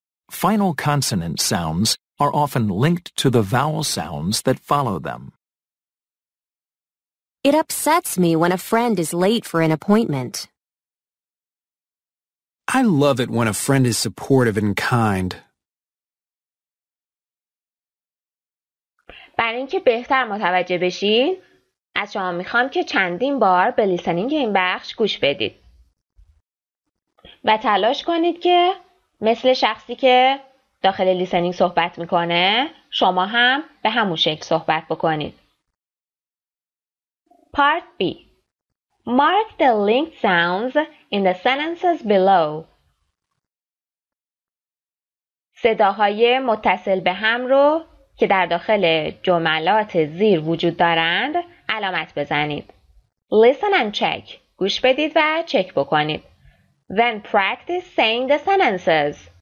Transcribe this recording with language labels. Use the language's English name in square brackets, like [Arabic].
[English] Final consonant sounds are often linked to the vowel sounds that follow them. It upsets me when a friend is late for an appointment. I love it when a friend is supportive and kind. [Persian] برای اینکه بهتر متوجه بشین، از شما میخوام که چندین بار به لیسنینگ این بخش گوش بدید. و تلاش کنید که مثل شخصی که داخل لیسنینگ صحبت میکنه، شما هم به همون شکل صحبت بکنید. [English] Part B. Mark the linked sounds in the sentences below. [Persian] صداهای متصل به هم رو که در داخل جملات زیر وجود دارند علامت بزنید. [English] Listen and check. [Persian] گوش بدید و چک بکنید. [English] Then practice saying the sentences.